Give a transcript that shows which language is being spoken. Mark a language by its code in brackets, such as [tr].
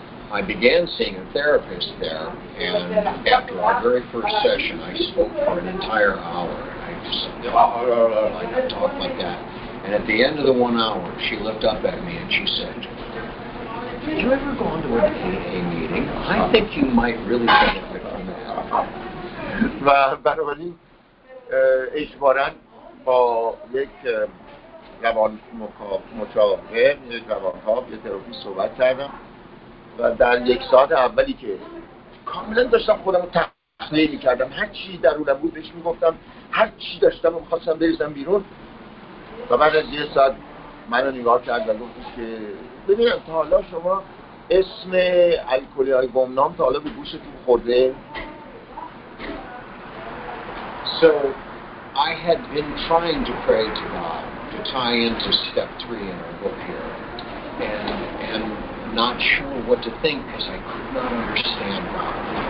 [en] I began seeing a therapist there, and after our very first session, I spoke for an entire hour. I talked like that. And at the end of the 1 hour, she looked up at me and she said, "Have you ever gone to an AA meeting? I think you might really benefit from that." [fa] و بنابراین اجباراً با یک روان مشاور یک تراپیست صحبت کردم و در یک ساعت اولی که کاملا داشتم خودم رو تخلیه می کردم، هر چی درونم بود بهش می گفتم، هر چی داشتم و می خواستم بریزم بیرون، و بعد از یک ساعت من رو نگاه کرد و گفتش که ببینم، تا حالا شما اسم الکلی های گمنام تا حالا به گوشتون خورده؟ [en] So I had been trying to pray to God to tie into step 3 in our book here, and not sure what to think because I could not understand God.